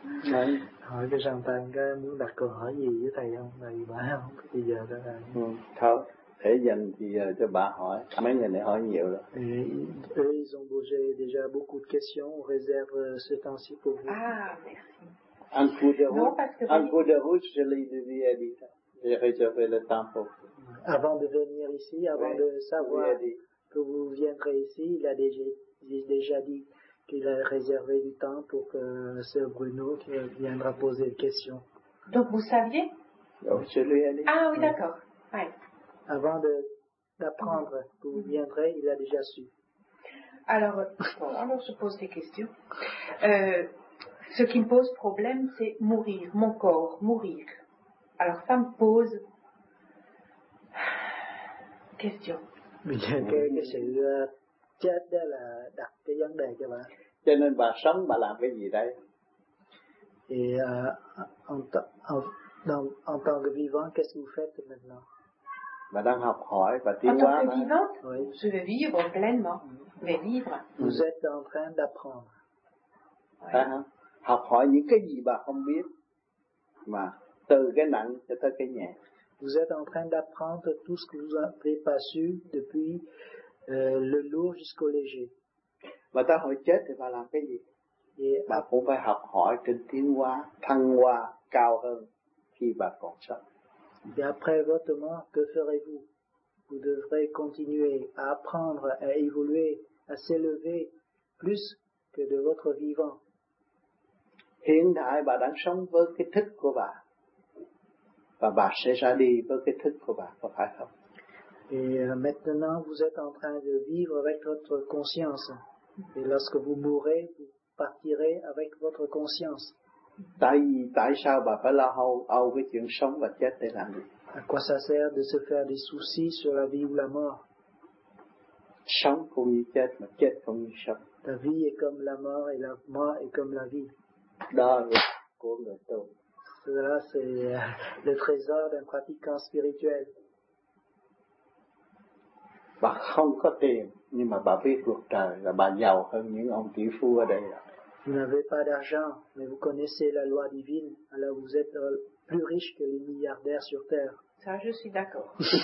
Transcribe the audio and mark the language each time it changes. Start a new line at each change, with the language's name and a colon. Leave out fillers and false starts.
Vietnamese: Này, hỏi cái rằng tàn cái muốn đặt câu hỏi gì với thầy không? Thầy bà không? Bây giờ đó là... Thôi, để dành thì cho bà hỏi. Mấy người này hỏi nhiều rồi.
French: Eux, ils ont bougé déjà beaucoup de questions. On réserve ce temps-ci pour vous. Ah, merci. Un coup de rouge. Un coup de rouge, je l'ai dit à l'État. J'ai réservé le temps pour vous. Avant de venir ici, avant de savoir que vous viendrez ici, il a déjà dit... qu'il a réservé du temps pour que c'est Bruno qui viendra poser une question. Donc vous saviez? Oui, je lui ai dit. Ah oui, d'accord. Ouais. Avant d'apprendre que vous viendrez, il a déjà su. Alors, alors je pose des questions. Ce qui me pose problème, c'est mourir, mon corps, mourir. Alors ça me pose... question. Mais il y a quelque chose là.
Vietnamese: Chết đó là đặt cái vấn đề cho bà. Cho nên bà sống bà làm cái gì đây?
French: Et en tant que vivant, qu'est-ce que vous faites maintenant?
Vietnamese: Bà đang học hỏi, bà tiến hóa.
French: En tant que vivant, je vais vivre pleinement, je vais vivre. Vous êtes en train d'apprendre.
Vietnamese: Học hỏi những cái gì bà không biết, mà từ cái nặng cho tới cái nhẹ.
French: Vous êtes en train d'apprendre tout ce que vous n'avez pas su depuis. Le lourd jusqu'au léger.
Vietnamese: Mà ta hỏi chết thì bà làm cái gì? Bà cũng phải học hỏi trên tiến hóa, thăng hoa cao hơn khi bà còn sống.
French: Et après votre mort, que ferez-vous? Vous devrez continuer à apprendre, à évoluer, à s'élever plus que de votre vivant.
Vietnamese: Hiện tại bà đang sống với cái thức của bà. Và bà sẽ ra đi với cái thức của bà, có phải không?
French: Et maintenant, vous êtes en train de vivre avec votre conscience. Et lorsque vous mourrez, vous partirez avec votre conscience.
Vietnamese: Tại sao bà phải lo âu với chuyện sống và chết để làm gì?
French: À quoi ça sert de se faire des soucis sur la vie ou la mort?
Vietnamese: Sống cũng như chết, mà chết cũng như sống.
French: La vie est comme la mort et la mort est comme la vie.
Vietnamese: Đó là của người tu.
French: Cela, c'est le trésor d'un pratiquant spirituel.
Vietnamese: Bà không có tiền, nhưng mà bà biết luật trời là bà giàu hơn những ông tỷ phú ở đây.
French: Vous n'avez pas d'argent, mais vous connaissez la loi divine, alors vous êtes plus riche que les milliardaires sur Terre. Ça, je suis d'accord.